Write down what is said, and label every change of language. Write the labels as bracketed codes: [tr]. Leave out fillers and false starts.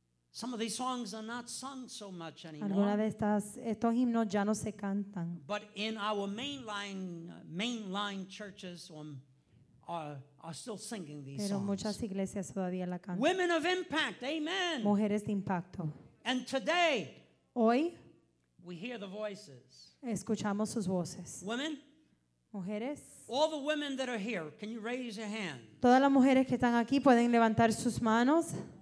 [en] Some of these songs are not sung so much anymore. [es] Algunas de estos himnos ya no se cantan. [en] But in our mainline churches are still singing these [es] pero [en] songs. [es] Pero muchas iglesias todavía la cantan. [en] Women of impact, amen. [es] Mujeres de impacto. [en] And today, [es] hoy, [en] we hear the voices. [es] Escuchamos sus voces. [en] Women, [es] mujeres. [en] All the women that are here, can you raise your hand? [es] Todas las mujeres que están aquí pueden levantar sus manos.